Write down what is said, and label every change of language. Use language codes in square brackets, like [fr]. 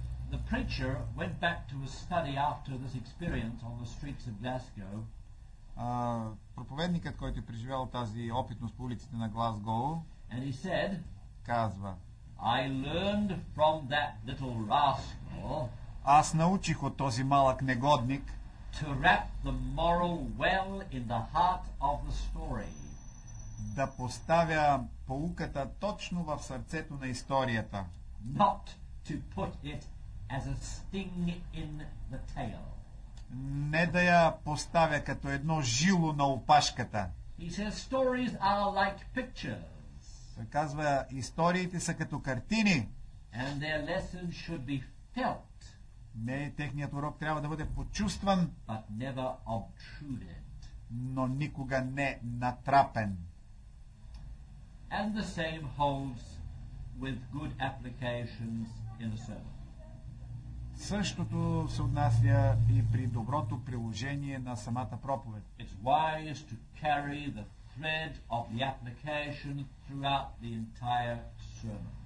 [en] The preacher went back to his study after this experience on the streets of Glasgow. [bg] Проповедникът, който е преживял тази опитност по улиците на Глазго, [en] and he said, [bg] казва, [en] I learned from that little rascal. [bg] Аз научих от този малък негодник [en] to wrap the moral well in the heart of the story. [bg] Да поставя поуката точно в сърцето на историята. [en] Not to put it as a sting in the tail. [bg] Не да я поставя като едно жило на опашката. [en] He says stories are like pictures. [bg] Той казва, историите са като картини. [en] And their lesson should be felt. [bg] Не, техният урок трябва да бъде почувстван, [en] but never obtruded. [bg] Но никога не натрапен. [en] And the same holds with good applications in a sermon. [bg] Същото се отнася и при доброто приложение на самата проповед. [en] It's wise to carry the thread of the application throughout the entire sermon.